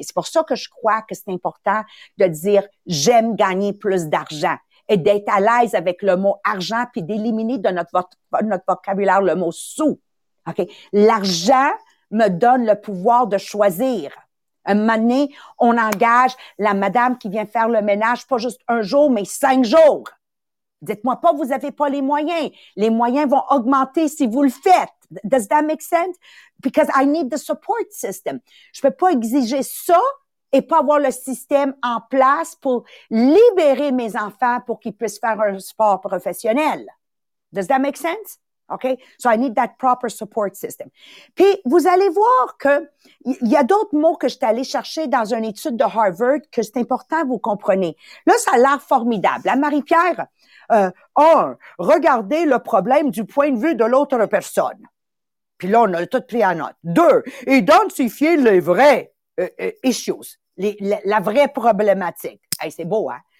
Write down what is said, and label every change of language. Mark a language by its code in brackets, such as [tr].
[fr] C'est pour ça que je crois que c'est important de dire « j'aime gagner plus d'argent » et d'être à l'aise avec le mot « argent » puis d'éliminer de notre vocabulaire le mot « sous ». OK? L'argent me donne le pouvoir de choisir. Un moment donné, on engage la madame qui vient faire le ménage, pas juste un jour, mais 5 jours. Dites-moi pas, vous avez pas les moyens. Les moyens vont augmenter si vous le faites. [en] Does that make sense? Because I need the support system. [fr] Je peux pas exiger ça et pas avoir le système en place pour libérer mes enfants pour qu'ils puissent faire un sport professionnel. [en] Does that make sense? OK? So I need that proper support system. [fr] Puis, vous allez voir que il y a d'autres mots que j'étais allée chercher dans une étude de Harvard que c'est important que vous compreniez. Là, ça a l'air formidable. Hein, Marie-Pierre, regardez le problème du point de vue de l'autre personne. Puis là, on a tout pris en note. 2, identifier les vrais issues, la vraie problématique. Hey, c'est beau, hein?